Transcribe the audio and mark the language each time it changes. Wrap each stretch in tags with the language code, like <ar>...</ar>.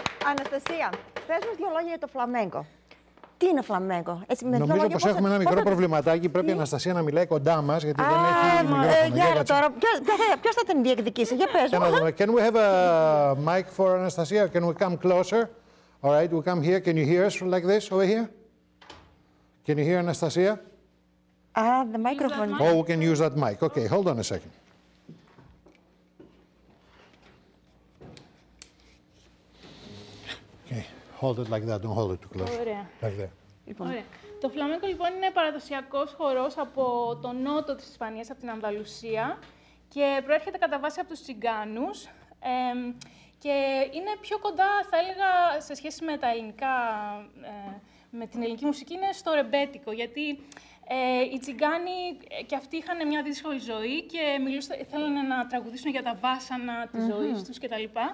<el>Αναστασία, πες μας δύο λόγια για το φλαμέγκο. Τι είναι φλαμέγκο? Νομίζω πως έχουμε ένα μικρό προβληματάκι. Πρέπει η Αναστασία να μιλάει κοντά μας, γιατί δεν έχει μικρόφωνο. Ποιος θα την διεκδικήσει, για πες μας.</el> <en>Can we have a mic for Αναστασία? Can we come closer? All right, we come here. Can you hear us like this over here? Can you hear Αναστασία? The microphone. Oh, we can use that mic. Okay, hold on a second. Hold it like that, don't hold it too close.</en> <el>Ωραία.</el> <en>Like that.</en> <el>Ωραία. Το φλαμέγκο λοιπόν είναι παραδοσιακός χορός από τον νότο της Ισπανίας, από την Ανδαλουσία και προέρχεται κατά βάση από τους Τσιγκάνους και είναι πιο κοντά, θα έλεγα, σε σχέση με τα ελληνικά, με την ελληνική μουσική, είναι στο ρεμπέτικο, γιατί οι Τσιγκάνοι και αυτοί είχαν μια δύσκολη ζωή και θέλανε να τραγουδήσουν για τα βάσανα της ζωής τους κτλ.</el>